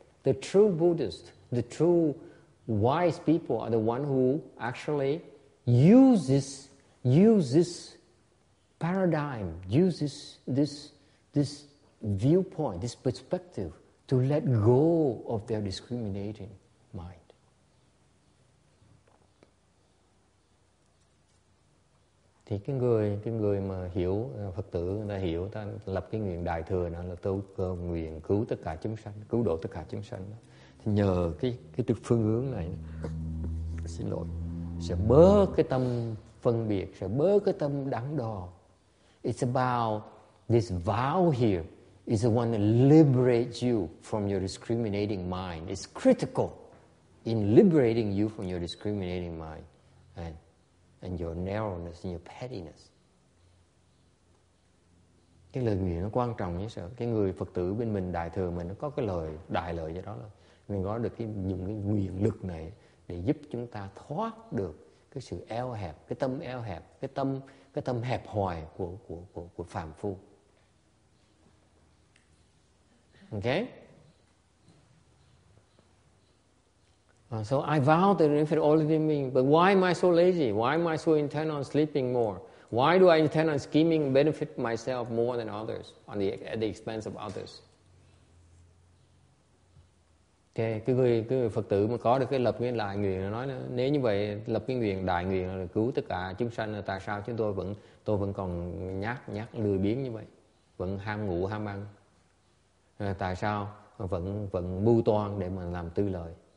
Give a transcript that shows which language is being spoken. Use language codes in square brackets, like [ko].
[en] The true Buddhist, the true wise people are the one who actually use this paradigm, use this viewpoint, this perspective, to let go of their discriminating mind. [vi] Thì cái người mà hiểu Phật tử người ta hiểu, ta lập cái nguyện đại thừa đó là tôi cầu nguyện cứu tất cả chúng sanh, cứu độ tất cả chúng sanh. Thì nhờ cái phương hướng này, xin lỗi, sẽ bớt cái tâm phân biệt, sẽ bớt cái tâm đắn đo. [en] It's about this vow here. Is the one that liberates you from your discriminating mind. It's critical in liberating you from your discriminating mind and your narrowness and your pettiness. [vi] Cái lời nguyện nó quan trọng như sao? Cái người Phật tử bên mình đại thừa mình nó có cái lời đại lời cho đó là mình có được dùng cái nguyện lực này để giúp chúng ta thoát được cái sự eo hẹp, cái tâm eo hẹp, cái tâm hẹp hòi của phàm phu. [en] Okay. So I vow to benefit all living beings. But why am I so lazy? Why am I so intent on sleeping more? Why do I intend on scheming benefit myself more than others at the expense of others? Okay. [vi] Cái người Phật tử mà có được cái lập cái đại nguyện nói nữa. Nếu như vậy lập cái nguyện đại nguyện là cứu tất cả chúng sanh, tại sao chúng tôi vẫn còn nhát lười biếng như vậy, vẫn ham ngủ ham ăn? Tại sao vẫn mưu toan để mà làm tư lợi?